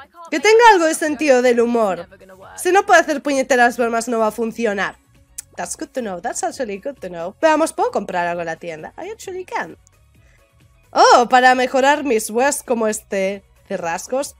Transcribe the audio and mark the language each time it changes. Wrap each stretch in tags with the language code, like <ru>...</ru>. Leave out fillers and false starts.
<es>Que tenga algo de sentido del humor. Si no puede hacer puñeteras bromas, no va a funcionar.</es> <en>That's good to know, that's actually good to know.</en> <es>Veamos, ¿puedo comprar algo en la tienda?</es> <en>I actually can.</en> <es>Oh, para mejorar mis webs como este de rasgos.</es>